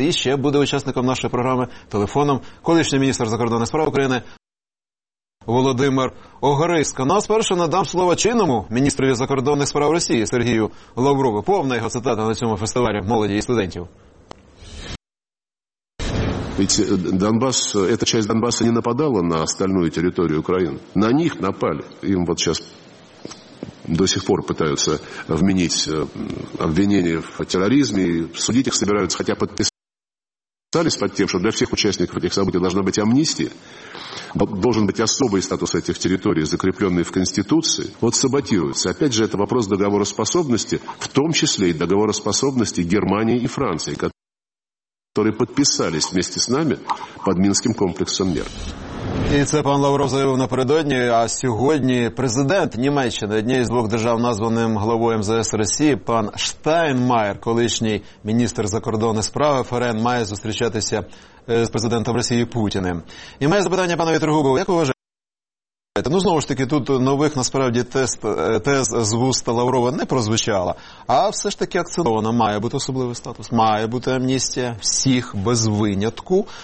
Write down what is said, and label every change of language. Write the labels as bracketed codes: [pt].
[uk] І ще буде учасником нашої програми телефоном колишній міністр закордонних справ України Володимир Огариська. Ну, а спершу надам слово чинному міністрові закордонних справ Росії Сергію Лаврову. Повна його цитата на цьому фестивалі молоді і студентів. [ru] Ведь Донбасс, эта часть Донбасса не нападала на остальную территорию Украины. На них напали. Им вот сейчас до сих пор пытаются вменить обвинения в терроризме, судить их собираются, хотя подписались под тем, что для всех участников этих событий должна быть амнистия. Должен быть особый статус этих территорий, закрепленный в Конституции, вот саботируется. Опять же, это вопрос договороспособности, в том числе и договороспособности Германии и Франции, которые подписались вместе с нами под Минским комплексом мер. [uk] І це пан Лавров заявив напередодні, а сьогодні президент Німеччини, однієї з двох держав, названим главою МЗС Росії, пан Штайнмайер, колишній міністр закордонних справ ФРН, має зустрічатися з президентом Росії Путіним. І має запитання пана Вітергубова, як ви вважаєте? Ну, знову ж таки, тут нових, насправді, тез з вуста Лаврова не прозвучало, а все ж таки акцентовано, має бути особливий статус, має бути амністія всіх без винятку.